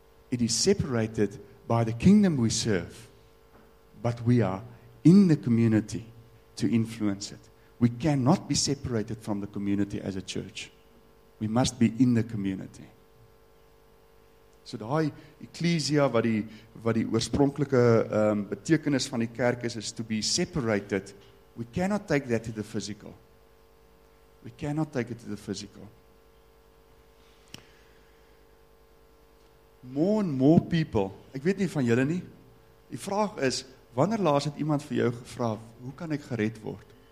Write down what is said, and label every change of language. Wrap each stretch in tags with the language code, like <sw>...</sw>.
<en>It is separated by the kingdom we serve, but we are in the community to influence it. We cannot be separated from the community as a church. We must be in the community.</en> <af>So daai ecclesia wat die oorspronklike betekenis van die kerk is</af> <en>to be separated. We cannot take that to the physical. We cannot take it to the physical. More and more people,</en> <af>ek weet nie van julle nie, die vraag is, wanneer laas het iemand vir jou gevra, hoe kan ek gered word?</af>